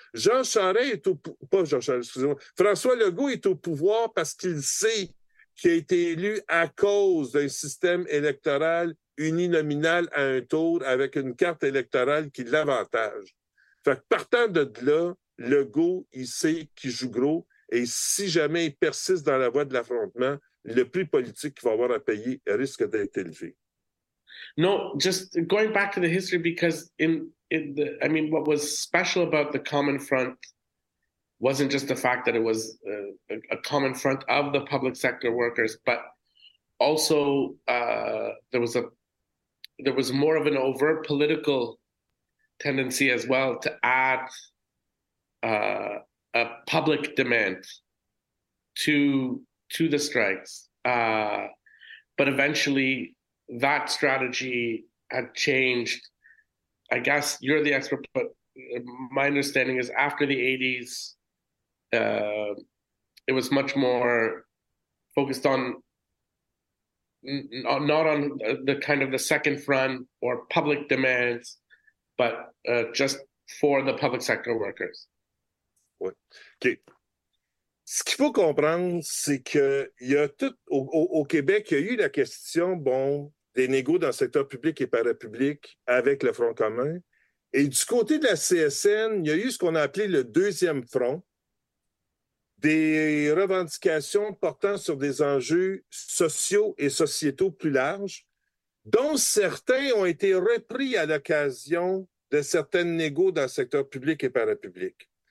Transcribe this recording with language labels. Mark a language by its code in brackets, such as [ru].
[fr] Jean Charest est au pouvoir, pas Jean Charest, excusez-moi, François Legault est au pouvoir parce qu'il sait qui a été élu à cause d'un système électoral uninominal à un tour avec une carte électorale qui l'avantage. Fait que partant de là, Legault, il sait qu'il joue gros et si jamais il persiste dans la voie de l'affrontement, le prix politique qu'il va avoir à payer risque d'être élevé. [en] No, just going back to the history, because what was special about the Common Front wasn't just the fact that it was a common front of the public sector workers, but also there was more of an overt political tendency as well to add a public demand to the strikes. But eventually that strategy had changed. I guess you're the expert, but my understanding is after the 80s, it was much more focused on not on the kind of the second front or public demands, but just for the public sector workers. [fr] Oui. OK. Ce qu'il faut comprendre, c'est qu'il y a tout au Québec, il y a eu la question, bon, des négos dans le secteur public et parapublic avec le Front commun. Et du côté de la CSN, il y a eu ce qu'on a appelé le deuxième front, des revendications portant sur des enjeux sociaux et sociétaux plus larges, dont certains ont été repris à l'occasion de certaines négos dans le secteur public et parapublic.